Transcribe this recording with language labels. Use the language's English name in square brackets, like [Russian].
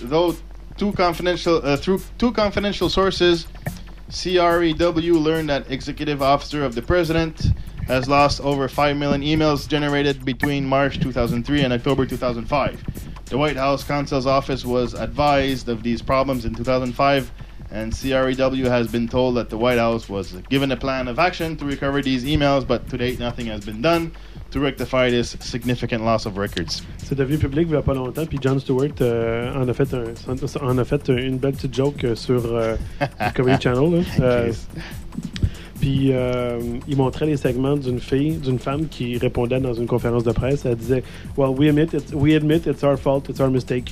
[English] Though two confidential sources, CREW learned that executive officer of the president has lost over 5 million emails generated between March 2003 and October 2005. The White House Counsel's Office was advised of these problems in 2005, and CREW has been told that the White House was given a plan of action to recover these emails, but to date, nothing has been done to rectify this significant loss of records. [French] C'est devenu public il y a pas longtemps, puis John Stewart en a fait une belle petite joke sur Discovery Channel. Là. Puis il montrait les segments d'une femme qui répondait dans une conférence de presse. Elle disait, [English] well, we admit it's our fault, it's our mistake.